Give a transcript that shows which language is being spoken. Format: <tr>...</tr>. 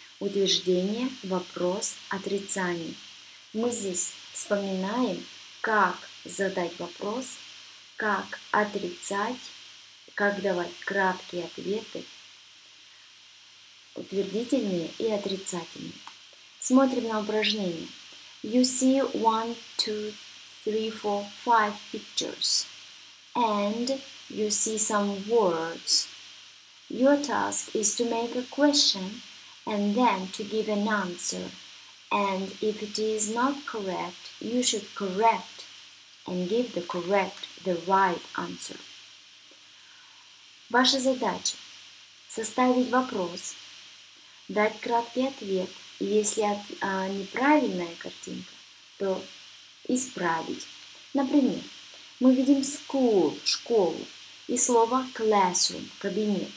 <ru>Утверждение, вопрос, отрицание. Мы здесь вспоминаем, как задать вопрос, как отрицать, как давать краткие ответы, утвердительные и отрицательные. Смотрим на упражнение.</ru> <en>You see one, two, three, four, five pictures. And you see some words. Your task is to make a question and then to give an answer. And if it is not correct, you should correct and give the correct, the right answer.</en> <ru>Ваша задача – составить вопрос, дать краткий ответ. Если неправильная картинка, то исправить. Например, мы видим school – школу, и слово classroom – кабинет.</ru>